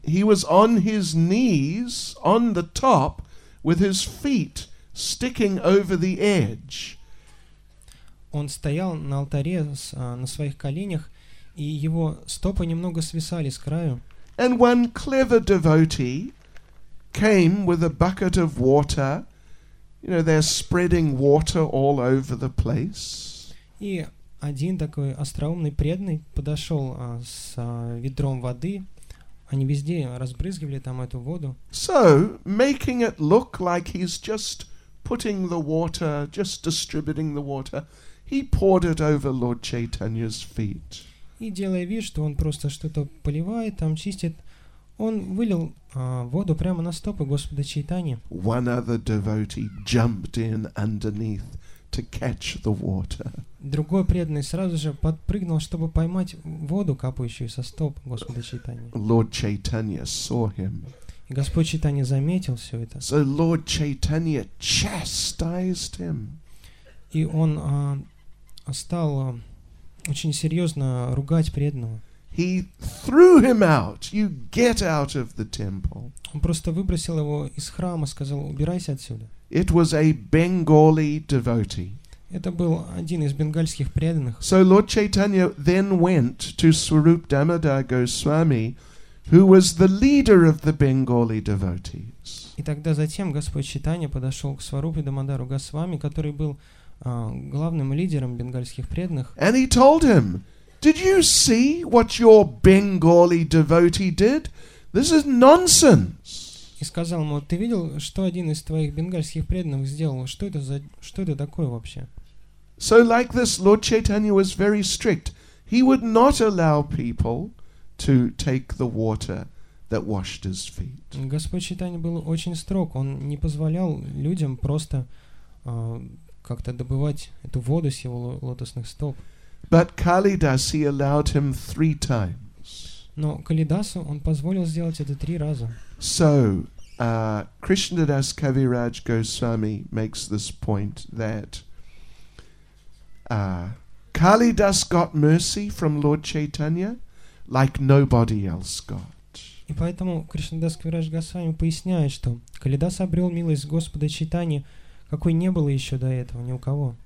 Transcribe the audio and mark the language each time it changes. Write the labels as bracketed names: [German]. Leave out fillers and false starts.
[English] He was on his knees on the top with his feet sticking over the edge. [Russian] Он стоял на алтаре на своих коленях, и его стопы немного свисали с краю. [English] And one clever devotee came with a bucket of water. You know, they're spreading water all over the place. [Russian] И один такой остроумный преданный подошел с ведром воды. Они везде разбрызгивали там эту воду. [English] So, making it look like he's just putting the water, just distributing the water, he poured it over Lord Chaitanya's feet. [Russian] И делая вид, что он просто что-то поливает, там чистит, он вылил воду прямо на стопы Господа Чайтаньи. [English] One other devotee jumped in underneath to catch the water. [Russian] Другой преданный сразу же подпрыгнул, чтобы поймать воду, капающую со стоп Господа Чайтаньи. [English] Lord Chaitanya saw him. [Russian] И Господь Чайтанья заметил все это. [English] So Lord Chaitanya chastised him. [Russian] И он стал очень серьезно ругать преданного. [English] He threw him out. You get out of the temple. [Russian] Он просто выбросил его из храма, сказал: убирайся отсюда. [English] It was a Bengali devotee. [Russian] Это был один из бенгальских преданных. [English] So Lord Chaitanya then went to Swarup Damodar Goswami, who was the leader of the Bengali devotees. [Russian] И тогда затем Господь Чайтанья подошел к Сварупе Дамодару Госвами, который был главным лидером бенгальских преданных. [English] And he told him, did you see what your Bengali devotee did? This is nonsense. [Russian] И сказал ему: ты видел, что один из твоих бенгальских преданных сделал? Что это такое вообще? [English] So like this, Lord Chaitanya was very strict. He would not allow people to take the water that washed his feet. [Russian] Господь Чайтанья был очень строг. Он не позволял людям просто как-то добывать эту воду с его лотосных стоп. [English] But Kalidas, he allowed him three times. [Russian] Но Калидасу он позволил сделать это три раза. [English] So, Krishnadas Kaviraj Goswami makes this point that Kalidas got mercy from Lord Chaitanya like nobody else got. [Russian] И поэтому Кришнадас Кавирадж Госвами поясняет, что Калидас обрел милость Господа Чайтаньи, какой не было еще до этого ни у кого.